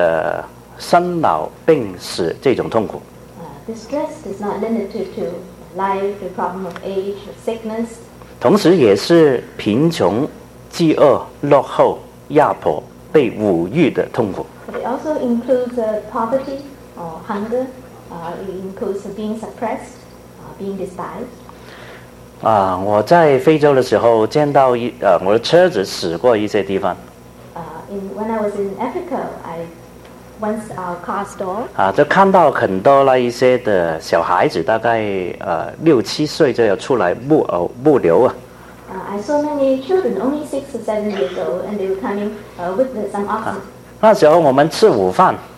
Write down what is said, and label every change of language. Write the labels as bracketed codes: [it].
[zh] 困苦不单是人生的这种的生老病死这种痛苦。 [en] The stress is not limited to life, the problem of age, of sickness. [zh] 同时也是贫穷、饥饿、落后、压迫、被侮辱的痛苦。 [en] But it also includes poverty or hunger. It includes being suppressed, being despised. [zh] 我在非洲的时候见到我的车子驶过一些地方。 [en] When I was in Africa, once our car stalled. I saw many children, only 6 or 7 years old, and they were coming with some oxen.